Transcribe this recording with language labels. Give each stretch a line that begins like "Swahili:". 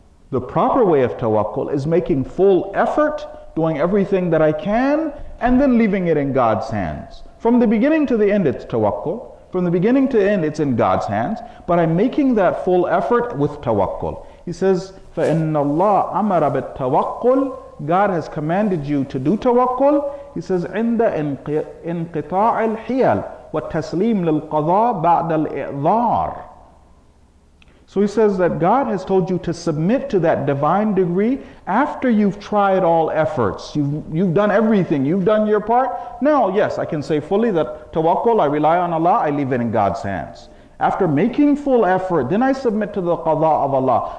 English: The proper way of tawakkul is making full effort, doing everything that I can, and then leaving it in God's hands. From the beginning to the end, it's tawakkul. From the beginning to end, it's in God's hands. But I'm making that full effort with tawakkul. He says,
Arabic: فَإِنَّ اللَّهَ أَمَرَ بِالتَّوَكُّلِ.
English: God has commanded you to do tawakkul. He says,
Arabic: عِنْدَ انْقِطَاعِ الْحِيَلِ وَالتَّسْلِيمْ لِلْقَضَىٰ بَعْدَ الْإِعْذَارِ.
English: So he says that God has told you to submit to that divine degree after you've tried all efforts. You've done everything. You've done your part. Now, yes, I can say fully that tawakkul, I rely on Allah, I leave it in God's hands. After making full effort, then I submit to the qadha of Allah.